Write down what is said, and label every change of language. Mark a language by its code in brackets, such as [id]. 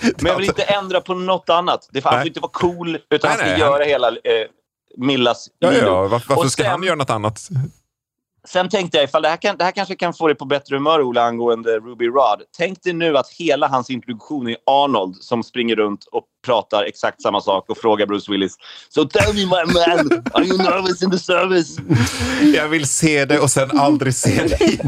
[sv] men jag vill inte ändra på något annat. Det får inte vara cool, utan nej, han ska göra hela Millas Lilo. Ja, varför sen, ska han göra något annat? Sen tänkte jag, ifall det här kanske kan få dig på bättre humör, Ola, angående Ruby Rod. Tänk dig nu att hela hans introduktion är Arnold som springer runt och pratar exakt samma sak och frågar Bruce Willis. [en] So tell me my man, are you nervous in the service? [sv] Jag vill se det och sen aldrig se det.